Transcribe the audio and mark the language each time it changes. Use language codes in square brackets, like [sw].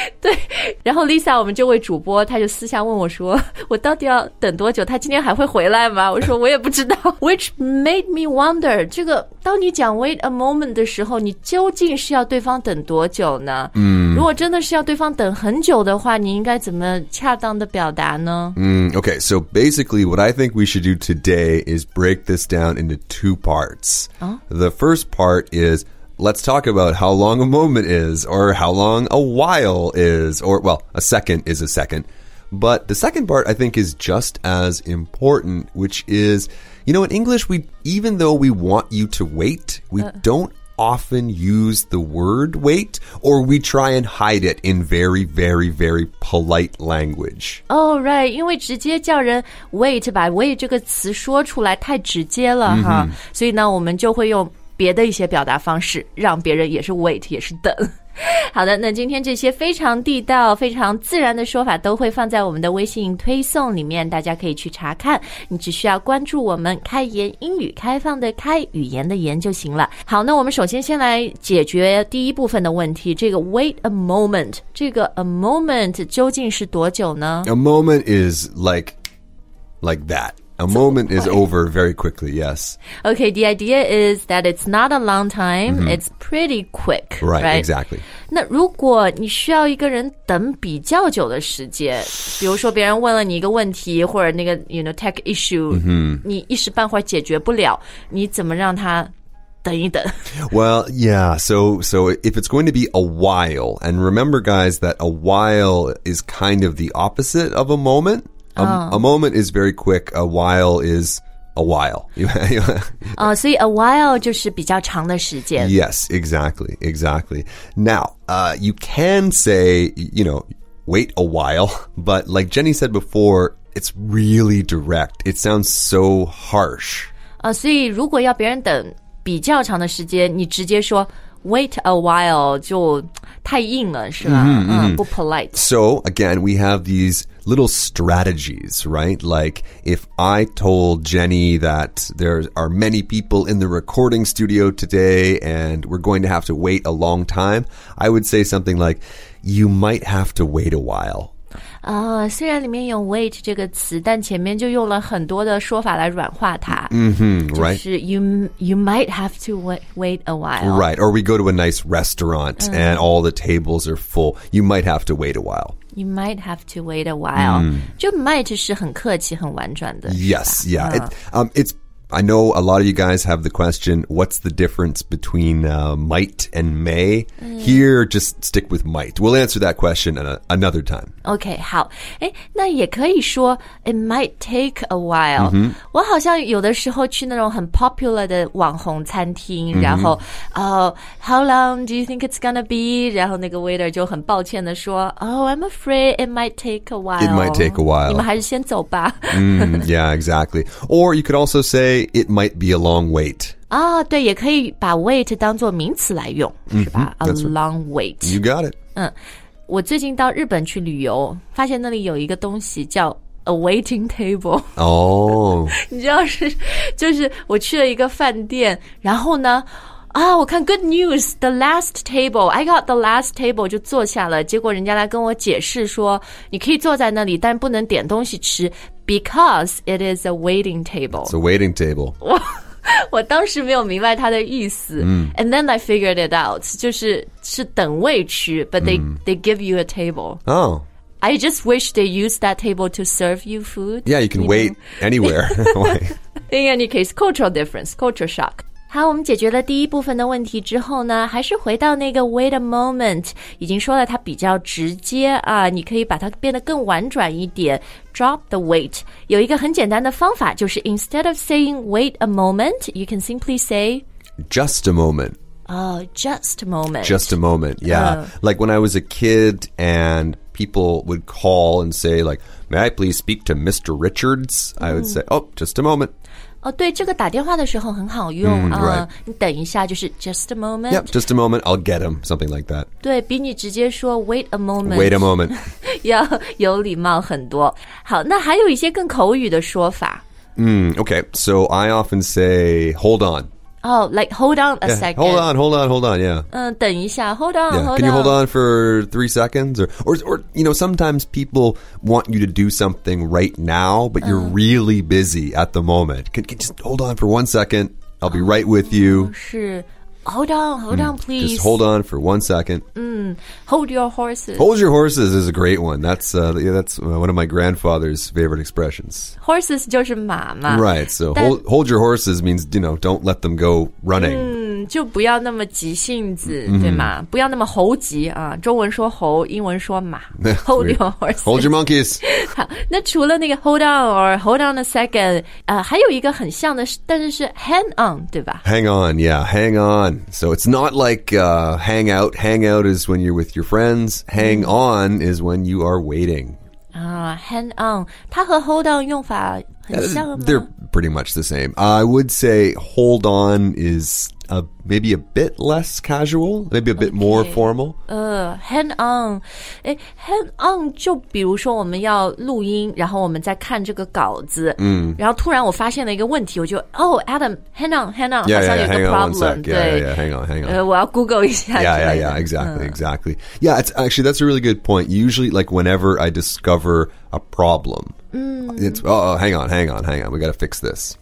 [zh] 对，然后 Lisa 我们这位主播他就私下问我说我到底要等多久，他今天还会回来吗？我说我也不知道 [en] which made me wonder [zh] 这个当你讲 [en] wait a moment [zh] 的时候，你究竟是要对方等多久呢、如果真的是要对方等很久的话，你应该怎么恰当的表达呢？ [en] Okay, so basically what I think we should do today is break this down into two parts.、The first part is, let's talk about how long a moment is, or how long a while is, or, well, a second is a second. But the second part, I think, is just as important, which is, you know, in English, we, even though we want you to wait, we don't often use the word wait, or we try and hide it in very, very, very polite language. Oh, right. [zh] 因为直接叫人 wait, 把 wait 这个词说出来太直接了、所以呢我们就会用别的一些表达方式让别人也是 wait, 也是等。好的，那今天这些非常地道非常自然的说法都会放在我们的微信推送里面，大家可以去查看，你只需要关注我们开言英语，开放的开，语言的言就行了。好，那我们首先先来解决第一部分的问题，这个 wait a moment, 这个 a moment 究竟是多久呢？ [en] A moment is like that. A moment is over very quickly, yes. Okay, the idea is that it's not a long time, it'sPretty quick, right? Exactly. [zh] 那如果你需要一个人等比较久的时间，比如说别人问了你一个问题，或者那个 [en] you know tech issue,、 [zh] 你一时半会解决不了，你怎么让他等一等？ [en] Well, yeah. So if it's going to be a while, and remember, guys, that a while is kind of the opposite of a moment. A moment is very quick. A while is. A while. [zh] 、所以 a while 就是比较长的时间。 [en] Yes, exactly, exactly. Now,、you can say, you know, wait a while, but like Jenny said before, it's really direct. It sounds so harsh.、 [zh] 所以如果要别人等比较长的时间，你直接说 wait a while 就太硬了，是吧？ Mm-hmm. 不 polite. [en] So again, we have these... little strategies, right? Like if I told Jenny that there are many people in the recording studio today and we're going to have to wait a long time, I would say something like, you might have to wait a while. [zh] 虽然里面用 wait 这个词，但前面就用了很多的说法来软化它。 [en] Right. 就是 you might have to wait a while. Right. Or we go to a nice restaurant and all the tables are full. You might have to wait a while. You might have to wait a while.、 [zh] 就 might 是很客气很婉转的。 [en] Yes, yeah.、It's, I know a lot of you guys have the question, what's the difference between、might and may?、Here, just stick with might. We'll answer that question another time. Okay, 好。 [zh] 那也可以说 [en] it might take a while.、 [zh] 我好像有的时候去那种很 popular 的网红餐厅、然后、 [en] how long do you think it's gonna be? [zh] 然后那个 waiter 就很抱歉的说 [en] oh, I'm afraid it might take a while. It might take a while. [zh] 你们还是先走吧。 [en] yeah, exactly. Or you could also say,it might be a long wait. [zh] 对，也可以把 wait 当作名词来用，是吧？ [en] That's right. A long wait. You got it. [zh] 我最近到日本去旅游，发现那里有一个东西叫 a waiting table. 你知道是，就是我去了一个饭店，然后呢，我看 [en] good news, the last table, [zh] I got the last table, 就坐下了，结果人家来跟我解释说，你可以坐在那里，但不能点东西吃。 [en] Because it is a waiting table. It's a waiting table. [zh] 我当时没有明白它的意思。 [en] And then I figured it out. [zh] 就是等位区 [en] but they,、they give you a table. Oh. I just wish they used that table to serve you food. Yeah, you can wait anywhere. In any case, cultural difference, culture shock. [zh] 好，我们解决了第一部分的问题之后呢，还是回到那个 wait a moment， 已经说了它比较直接啊，你可以把它变得更婉转一点。 [en] Drop the wait. [zh] 有一个很简单的方法，就是 [en] instead of saying wait a moment, you can simply say just a moment. Oh, just a moment. Just a moment. Yeah. Like when I was a kid and people would call and say like, may I please speak to Mr. Richards? I would say, oh, just a moment. [zh] 哦，对，这个打电话的时候很好用啊！ [en] Right. [zh] 你等一下，就是 [en] just a moment. Yep, just a moment. I'll get him. Something like that. [zh] 对，比你直接说 [en] wait a moment. Wait a moment. [zh] 要有礼貌很多。好，那还有一些更口语的说法。 [en] Okay. So I often say hold on. Oh, like hold on a second. Yeah, hold on. Yeah. [zh] 等一下 [en] hold on. Yeah. Hold Can you hold on for 3 seconds? Or you know, sometimes people want you to do something right now, but you're really busy at the moment. Can just hold on for 1 second. I'll be right with you. 是 hold on, please. Just hold on for 1 second. Hold your horses. Hold your horses is a great one. That's, that's one of my grandfather's favorite expressions. [zh] Horses 就是马嘛。 [en] Right, so hold your horses means, you know, don't let them go running. [zh] 就不要那么急性子、对吗？不要那么猴急啊。中文说猴，英文说马。 [en] Hold your horses. Hold your monkeys. [zh] 好，那除了那个 [en] hold on or hold on a second, [zh] 还有一个很像的，但是是 hang on, 对吧？ [en] Hang on, yeah, hang on. So it's not like hang out. Hang out is when you're with your friends. Hang on is when you are waiting. Hang on. [zh] 它和 hold on 用法很像吗？ [en] They're pretty much the same. I would say hold on is maybe a bit less casual, maybe a bit more formal. Hang on. [zh] Hang on 就比如说我们要录音，然后我们在看这个稿子，然后突然我发现了一个问题，我就 [en] Adam, hang on, [zh] 好像有一个 problem. [en] Yeah, hang on, hang on. [zh] 我要 Google 一下。 [en] Yeah, exactly. Yeah, that's a really good point. Usually, like whenever I discover a problem,hang on, we gotta fix this.